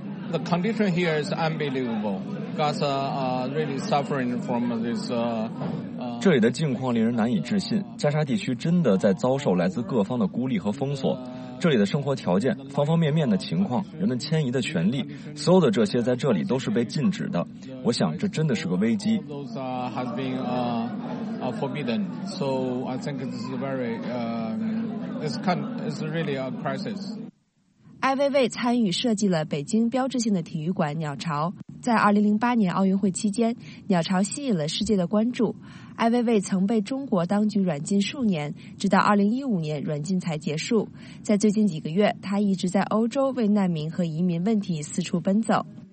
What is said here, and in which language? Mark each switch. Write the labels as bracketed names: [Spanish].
[English] The condition here is unbelievable. Gaza really suffering from this. [Chinese] 这里的境况令人难以置信。加沙地区真的在遭受来自各方的孤立和封锁。这里的生活条件、方方面面的情况、人们迁移的权利，所有的这些在这里都是被禁止的。我想这真的是个危机。 [English] Those have been forbidden. So I think this is very it's really a crisis. [Chinese] 艾薇薇参与设计了北京标志性的体育馆鸟巢。在2008年奥运会期间，鸟巢吸引了世界的关注。艾薇薇曾被中国当局软禁数年，直到2015年软禁才结束。在最近几个月，她一直在欧洲为难民和移民问题四处奔走。